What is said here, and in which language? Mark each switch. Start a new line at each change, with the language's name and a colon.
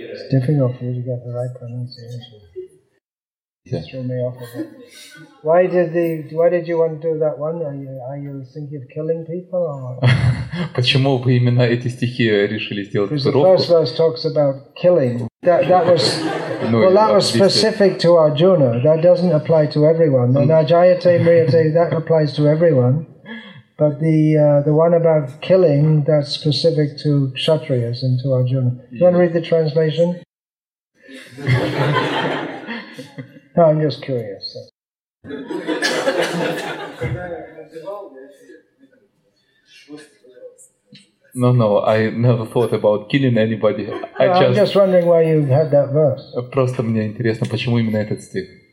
English: difficult for you to get the right pronunciation. Yeah. Throw me off a bit. Why did you want to do that one? Are you thinking of killing people or what?
Russian: Почему вы именно эти стихи решили сделать?
English: Because the first verse talks about killing. That was specific to Arjuna. That doesn't apply to everyone. The Najayate Mriyate, that applies to everyone. But the one about killing, that's specific to Kshatriyas and to Arjuna. Do you want to read the translation? No, I'm just curious. So. No, I never thought about killing anybody. I'm just wondering why you had that verse.
Russian: Просто мне интересно, почему именно этот стих.